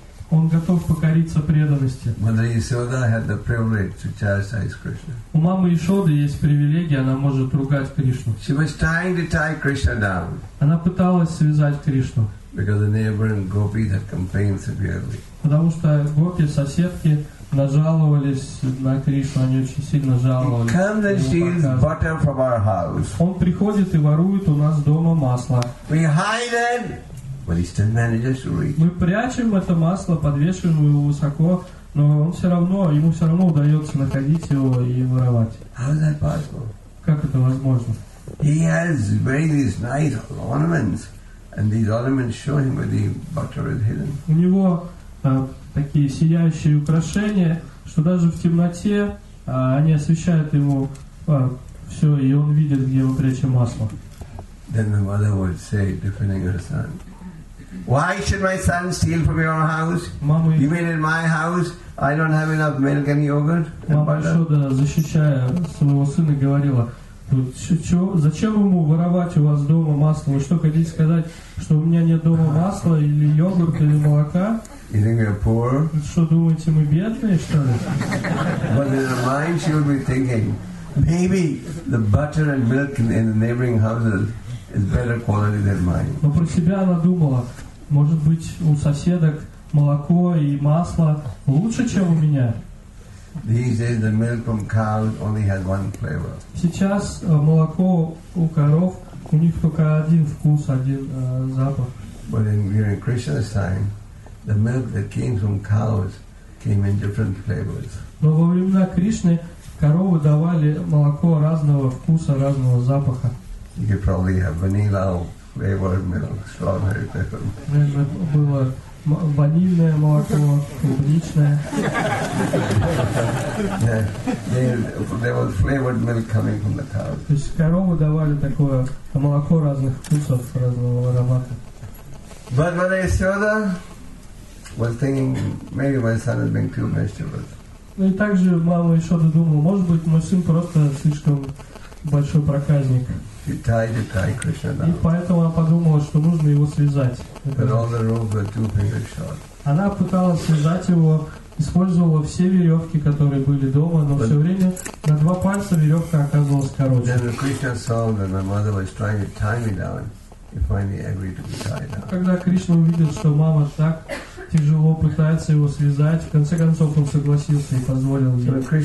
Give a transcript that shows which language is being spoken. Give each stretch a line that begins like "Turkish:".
Russian: Он готов покориться преданности.
English: Mother Yashoda had the privilege to chastise Krishna.
Russian: У мамы Ишоды есть привилегия, она может ругать Кришну.
English: She was trying to tie Krishna down.
Russian: Она пыталась связать Кришну.
English: Because the neighboring gopis had complained severely.
Russian: Потому что гопи, соседки, нажаловались на Кришну, они очень сильно жаловались.
English: He comes and steals butter from our house.
Russian: Он приходит и ворует у нас дома масло.
English: We hide it, but he still manages to reach.
Russian: Мы прячем это масло, подвешиваем его высоко, но ему все равно удается находить его и воровать.
English: How is that possible?
Russian: Как это возможно?
English: He has very these nice ornaments, and these ornaments show him where the butter is hidden.
Russian: У него такие сияющие украшения, что даже в темноте они освещают ему все, и он видит, где мы прячем масло.
English: Then the mother would say, defending her son, "Why should my son steal from your house?
Russian: Мама,
English: you mean in my house? I don't have enough milk and yogurt."
Russian: Мама Ишода, защищая своего сына, говорила: зачем ему воровать у вас дома масло? Вы что, хотите сказать, что у меня нет дома масла, или йогурта, или молока?
English: You think we're poor?
Russian: Что, думаете, мы бедные, что ли?
English: But in her mind she would be thinking, maybe the butter and milk in the neighboring houses is better quality than mine.
Russian: Но про себя она думала, может быть, у соседок молоко и масло лучше, чем у меня?
English: These days the milk from cows only has one flavor.
Russian: Сейчас молоко у коров, у них только один вкус, один запах.
English: But in during Krishna's time, the milk that came from cows came in different flavors.
Russian: Но во времена Кришны коровы давали молоко разного вкуса, разного запаха.
English: You could probably have vanilla flavored milk, strawberry flavored.
Russian: Было ванильное молоко, клубничное.
English: There was flavored milk coming from the cows.
Russian: То есть коровы давали такое молоко разных вкусов, разного аромата.
English: But when I saw that, was thinking, maybe my son has been too mischievous.
Russian: Ну и также мама Ишода думала, может быть, мой сын просто слишком большой проказник.
English: He tied Krishna down.
Russian: И поэтому она подумала, что нужно его связать.
English: But all the ropes were two fingers short.
Russian: Она пыталась связать его, использовала все веревки, которые были дома, но все время на два пальца веревка оказывалась короче.
English: Then Krishna saw that my mother was trying to tie me down. He finally agreed to be tied down.
Russian: Когда Кришна увидел, что мама так тяжело пытается его связать, в конце концов он согласился и позволил ей